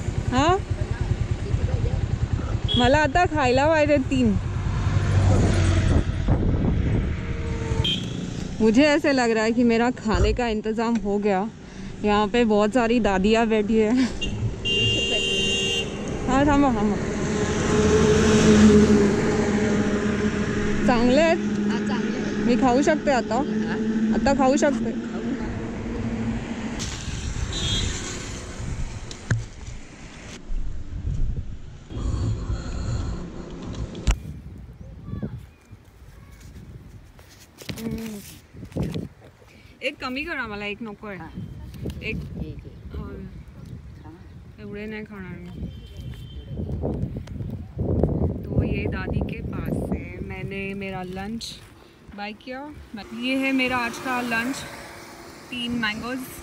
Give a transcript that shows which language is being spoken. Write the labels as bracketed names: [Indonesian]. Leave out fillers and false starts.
[Marathi] हाँ मला आता खायला पाहिजे 3। [Hindi] मुझे ऐसे लग रहा है कि मेरा खाने का इंतज़ाम हो गया। यहाँ पे बहुत सारी दादियाँ बैठी है। [Marathi] हाँ थामो थामो चांगले मी खाऊ शकते आता आता खाऊ शकते। एक कमी करा मला एक नको आहे एक एवढे नाही खाणार मी। [Hindi] तो ये दादी के पास से मैंने मेरा लंच बाय किया। ये है मेरा आज का लंच, 3 मैंगोज।